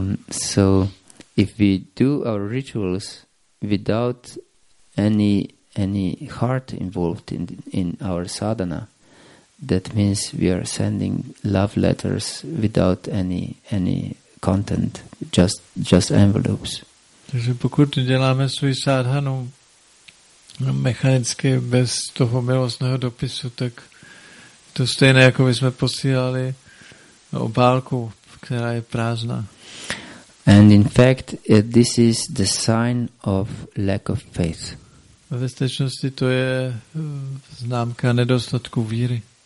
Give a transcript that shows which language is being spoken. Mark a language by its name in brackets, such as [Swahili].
[English] So if we do our rituals without any heart involved in our sadhana, that means we are sending love letters without any content, just envelopes. [Czech] Takže pokud děláme svůj sádhanu mechanicky bez toho milostného dopisu, tak to stejné, jako bychom posílali obálku, která je prázdná. [English] And in fact, this is the sign of lack of faith. [Czech] Ve skutečnosti to je známka nedostatku víry.